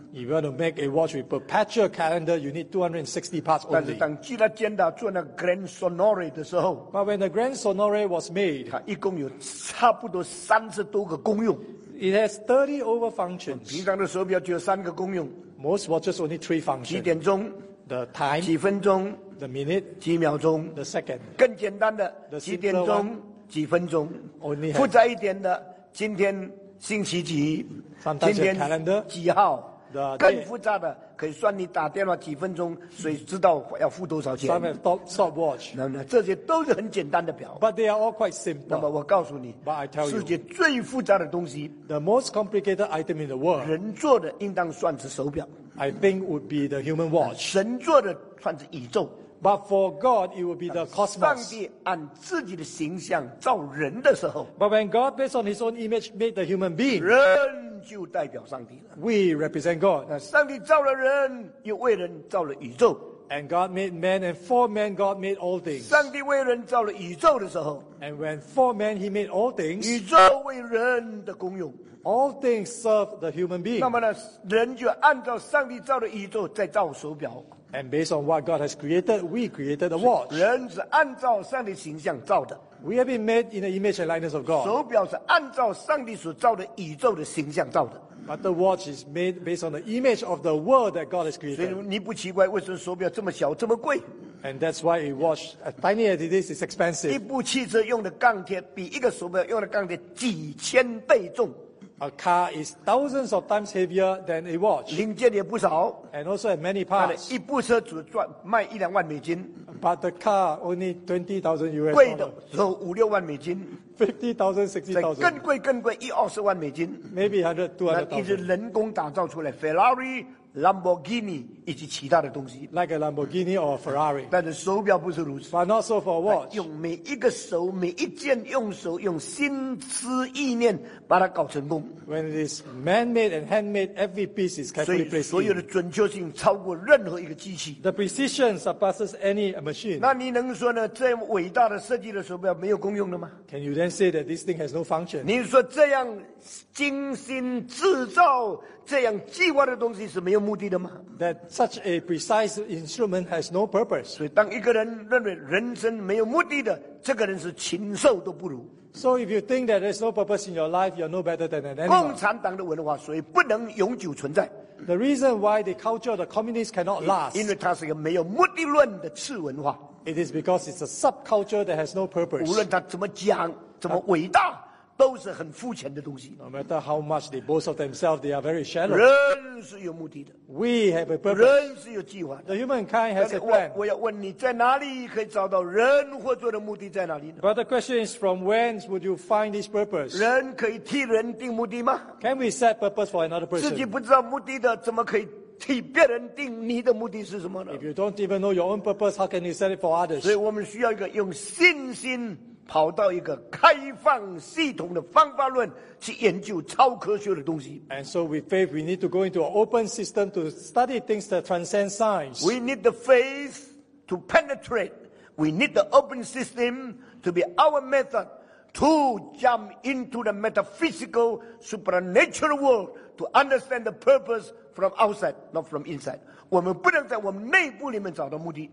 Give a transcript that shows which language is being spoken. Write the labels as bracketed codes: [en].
[en] If you want to make a watch with perpetual calendar, you need 260 parts only. [zh] 但是当吉拉坚达做那 Grand Sonore 的时候 [en] ，But when the Grand Sonore was made, [zh] 它一共有差不多30多个功用。 [en] It has 30 over functions. [zh] 平常的手表只有三个功用。 [en] Most watches only three functions. [zh] 几点钟 [en] ？The time. [zh] 几分钟 [en] ？The minute. [zh] 几秒钟 [en] ？The second. [zh] 更简单的 [en] ，The simpler [zh] one. 几点钟？几分钟 [en] ？Only. [zh] 复杂一点的，今天。星期几 [en] Sometimes [zh] 今天 [en] calendar, [zh] 几号 [en] the [zh] 更复杂的可以算你打电话几分钟所以知道要付多少钱 [en] Some have stopwatch [zh] 这些都是很简单的表 [en] But they are all quite simple [zh] 那么我告诉你 [en] But I tell you [zh] 世界最复杂的东西 [en] The most complicated item in the world [zh] 人做的应当算是手表 [en] I think would be the human watch [zh] 神做的算是宇宙 [en] But for God it would be the cosmos [zh] 上帝按自己的形象造人的时候 [en] But when God based on his own image made the human being [zh] 人就代表上帝了 [en] We represent God [zh] 上帝造了人又为人造了宇宙 [en] And God made man and for man God made all things [zh] 上帝为人造了宇宙的时候 [en] And when for man he made all things [zh] 宇宙为人的功用 [en] All things serve the human being [zh] 那么呢人就按照上帝造的宇宙再造手表 [en] And based on what God has created, we created a watch. [zh] 人是按照上帝形象造的。 [en] We have been made in the image and likeness of God. [zh] 手表是按照上帝所造的宇宙的形象造的。 [en] But the watch is made based on the image of the world that God has created. [zh] 所以你不奇怪为什么手表这么小这么贵。 [en] And that's why a watch, as tiny as it is expensive. [zh] 一部汽车用的钢铁比一个手表用的钢铁几千倍重。 [en] A car is thousands of times heavier than a watch. [zh] 零件也不少 [en] And also have many parts. [zh] 但一部车只赚卖一两万美金 [en] But the car only $20,000. [zh] 贵的只有五六万美金 [en] $50,000, $60,000. [zh] 更贵更贵一二十万美金 [en] Maybe $100,000, $200,000. [zh] 那一只人工打造出来 Ferrari Lamborghini 以及其他的东西 [en] ，like a Lamborghini or a Ferrari。 [zh] 但是手表不是如此 [en] ，but not so for watch。 [zh] 用每一个手，每一件用手，用心思意念把它搞成功。 [en] When it is man-made and handmade, every piece is carefully placed. [zh] 所以所有的准确性超过任何一个机器。 [en] The precision surpasses any machine. [zh] 那你能说呢？这伟大的设计的手表没有功用的吗 [en] ？Can you then say that this thing has no function？ [zh] 你说这样精心制造、这样计划的东西是没有目的的吗 [en] ？That such a precise instrument has no purpose。 [zh] 所以，当一个人认为人生没有目的的，这个人是禽兽都不如。 [en] So if you think that there's no purpose in your life, you're no better than an animal. [zh] 共产党的文化所以不能永久存在。 [en] The reason why the culture of the communists cannot last. [zh] 因为它是一个没有目的论的次文化。 [en] It is because it's a subculture that has no purpose. [zh] 无论它怎么讲，怎么伟大。都是很肤浅的东西。 [en] No matter how much they boast of themselves, they are very shallow. [zh] 人是有目的的。 [en] We have a purpose. [zh] 人是有计划的。 [en] The humankind has a plan. [zh] 我要问你，在哪里可以找到人活着的目的在哪里呢 [en] ？But the question is, from whence would you find this purpose? [zh] 人可以替人定目的吗 [en] ？Can we set purpose for another person? [zh] 自己不知道目的的，怎么可以？替别人定你的目的是什么呢 [en] ？If you don't even know your own purpose, how can you set it for others? [zh] 所以我们需要一个用信心跑到一个开放系统的方法论去研究超科学的东西。 [en] And so with faith, we need to go into an open system to study things that transcend science. We need the faith to penetrate. We need the open system to be our method to jump into the metaphysical supernatural world to understand the purpose. From outside, not from inside. [zh] 我们不能在我们内部里面找到目的。